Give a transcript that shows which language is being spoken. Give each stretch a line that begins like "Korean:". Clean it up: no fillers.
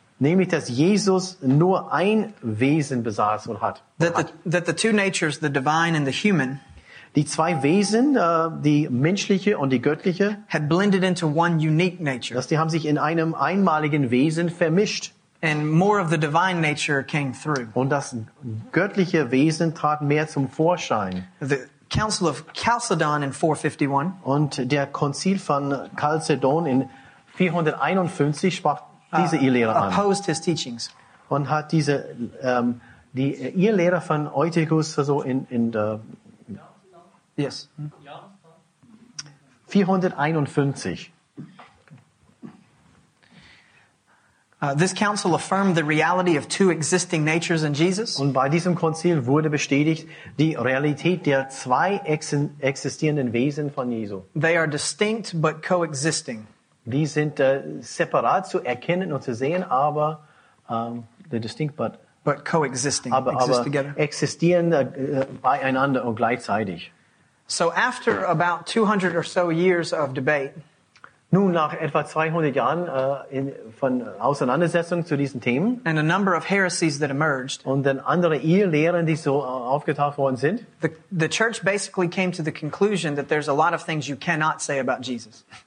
German: Nämlich, dass Jesus nur ein Wesen besaß und hat.
English: That the two natures, the divine and the human,
German: die zwei Wesen, die menschliche und die göttliche,
English: had blended into one unique nature.
German: Dass die haben sich in einem einmaligen Wesen vermischt.
English: And more of the divine nature came through.
German: Und das göttliche Wesen trat mehr zum Vorschein.
English: The Council of Chalcedon in 451.
German: Und der Konzil von Chalcedon in 451 sprach diese Irrlehre an.
English: Opposed his teachings.
German: Und hat diese die Irrlehre von Eutychus so in der.
English: Yes. 451. This council affirmed the reality of two existing natures in Jesus.
German: Und bei diesem Konzil wurde bestätigt die Realität der zwei existierenden Wesen von Jesu.
English: They are distinct but coexisting.
German: Die sind separat zu erkennen und zu sehen, aber
English: the distinct, but coexisting,
German: aber
English: together.
German: Existieren beieinander und gleichzeitig.
English: So after about 200 or so years of debate,
German: nun nach etwa 200 Jahren von Auseinandersetzung zu diesen Themen,
English: and a number of heresies that emerged,
German: und dann andere Irrlehren, die so aufgetaucht worden sind,
English: the church basically came to the conclusion that there's a lot of things you cannot say about Jesus.